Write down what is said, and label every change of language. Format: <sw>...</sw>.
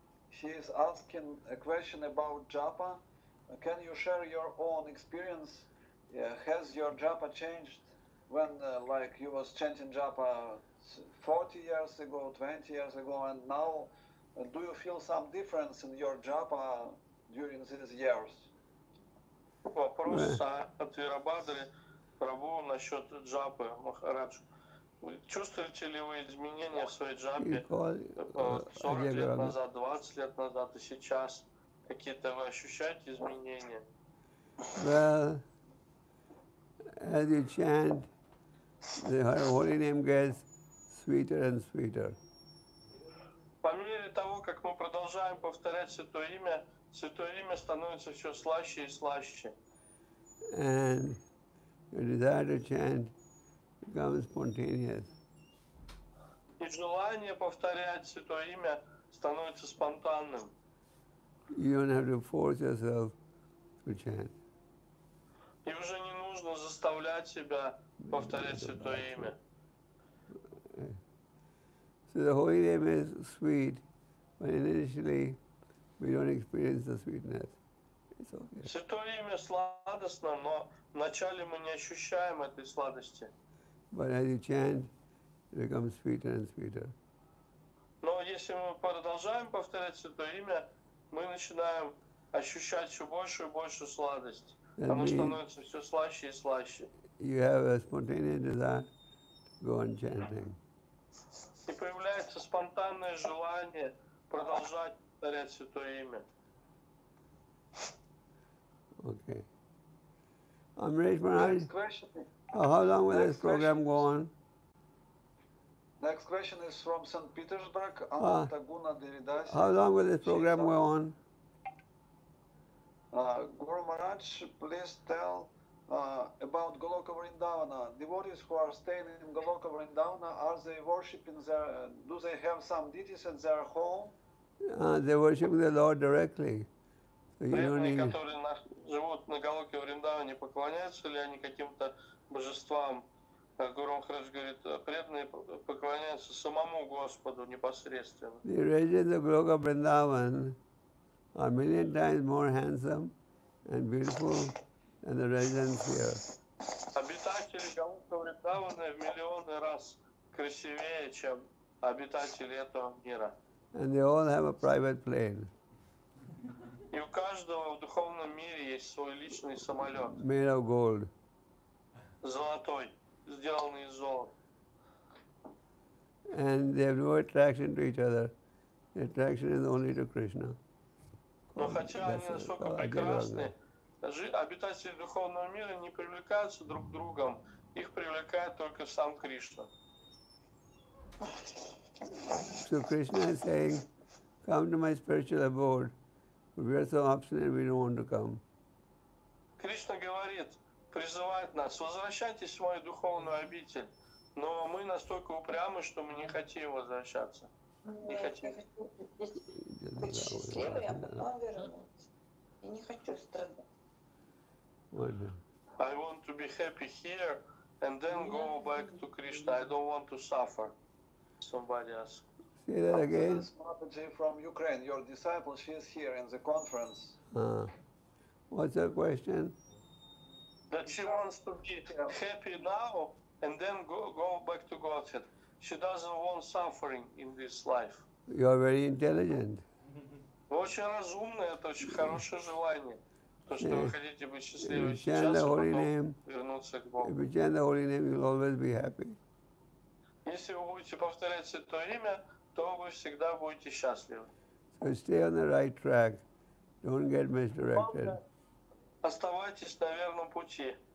<en>She is asking a question about japa. Can you share your own experience? Has your japa changed when, like, you was chanting japa 40 years ago, 20 years ago, and now? Do you feel some difference in your japa during these years?</en> <ru>Вопрос от Вирабхадры Прабху насчет джапы, Махарадж. Чувствуете ли вы изменения в своей джапе 40 лет назад, 20 лет назад и сейчас? Какие-то вы ощущаете изменения?</ru> <en>Well, as you chant, the holy name gets sweeter and sweeter.</en> <ru>По мере того, как мы продолжаем повторять Святое имя становится все слаще и слаще.</ru> <en>And your desire to chant becomes spontaneous.</en> <ru>И желание повторять Святое имя становится спонтанным.</ru> <en>You don't have to force yourself to chant.</en> <ru>И уже не нужно заставлять себя повторять Святое имя.</ru> <en>So the holy name is sweet, but initially we don't experience the sweetness. It's okay.</en> <ru>Святое имя сладостно, но вначале мы не ощущаем этой сладости.</ru> <en>But as you chant, it becomes sweeter and sweeter.</en> <ru>Но если мы продолжаем повторять Святое имя, мы начинаем ощущать все больше и больше сладости. Оно становится все слаще и слаще.</ru> <en>You have a spontaneous desire to go on chanting.</en> <ru>И появляется спонтанное желание продолжать повторять Святое имя.</ru> <en>Okay. Amrish Maharaj, how long will this program go on? Next question is from St. Petersburg, Ananta Guna Devidas. How long will this program go on? Guru Maharaj, please tell about Goloka Vrindavana. Devotees who are staying in Goloka Vrindavana, are they worshipping there? Do they have some deities at their home? They worship the Lord directly. So you don't need...</en> <ru>которые живут на Голоке Вриндаване, поклоняются ли они каким-то божествам? Гуру Махарадж говорит, преданные поклоняются самому Господу непосредственно.</ru> <en>The residents of Goloka Vrindavan are million times more handsome and beautiful and the residents here.</en> <ru>Обитатели Голока Вриндавана в миллионы раз красивее, чем обитатели этого мира.</ru> <en>And they all have a private plane.</en> <ru>И у каждого в духовном мире есть свой личный самолет.</ru> <en>Made of gold.</en> <ru>Золотой, сделанный из золота.</ru> <en>And they have no attraction to each other. The attraction is only to Krishna.</en> <ru>Но хотя они настолько прекрасны, обитатели духовного мира не привлекаются друг к другу, их привлекает только сам Кришна.</ru> <en>So Krishna is saying, come to my spiritual abode. We are so obstinate, we don't want to come.</en> <ru>Krishna говорит, призывает нас, возвращайтесь в мою духовную обитель. Но мы настолько упрямы, что мы не хотим возвращаться. Не хочу быть счастливой, а потом вернуться. И не хочу страдать.</ru> <en>I want to be happy here and then go back to Krishna. I don't want to suffer. Somebody else. Say that again. This is Mataji from Ukraine, your disciple, she is here in the conference. What's her question? That she wants to be happy now and then go back to Godhead. She doesn't want suffering in this life. You are very intelligent.</en> <ru>Очень разумное, это очень хорошее желание. То, что вы хотите быть счастливым сейчас, а потом вернуться к Богу.</ru> <en>If you chant the Holy Name, you'll always be happy.</en> <ru>Если вы будете повторять Святое Имя, то вы всегда будете счастливы.</ru> <en>So stay on the right track. Don't get misdirected.</en> <ru>Оставайтесь на верном пути.</ru>